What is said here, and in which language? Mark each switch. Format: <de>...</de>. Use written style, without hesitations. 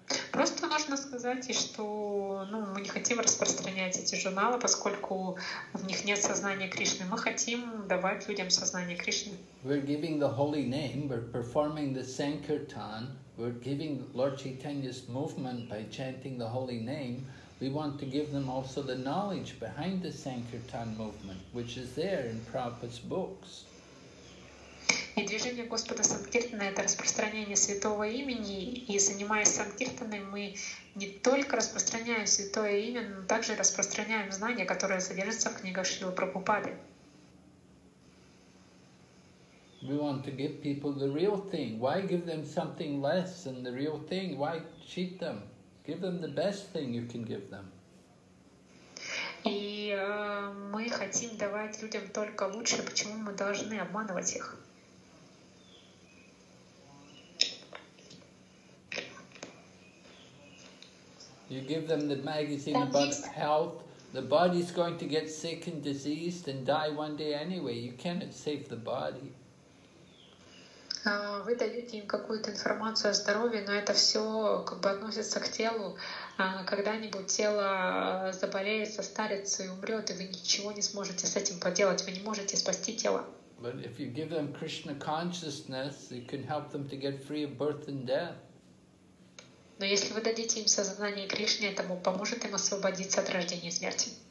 <ru>Просто нужно сказать, что ну, мы не хотим распространять эти журналы, поскольку в них нет сознания Кришны. Мы хотим давать людям сознание Кришны.</ru> <en>We're giving the holy name, we're performing the Sankirtan, we're giving Lord Chaitanya's movement by chanting the holy name. We want to give them also the knowledge behind the Sankirtan movement, which is there in Prabhupada's books.</en> <ru>И движение Господа Санкиртана — это распространение Святого Имени, и занимаясь Санкиртаной, мы не только распространяем Святое Имя, но также распространяем знания, которые содержатся в книгах Шрилы Прабхупады.</ru> <en>We want to give people the real thing. Why give them something less than the real thing? Why cheat them? Give them the best thing you can give them.</en> <ru>И мы хотим давать людям только лучшее, почему мы должны обманывать их?</ru> <en>You give them the magazine about health, The body is going to get sick and diseased and die one day anyway. You cannot save the body.</en> <ru>Вы даете им какую-то информацию о здоровье, но это все как бы относится к телу. Когда-нибудь тело заболеет, состарится и умрет, и вы ничего не сможете с этим поделать. Вы не можете спасти тело.</ru> <en>But if you give them Krishna consciousness, you can help them to get free of birth and death.</en> <ru>Но если вы дадите им сознание Кришны, это поможет им освободиться от рождения и смерти.</ru>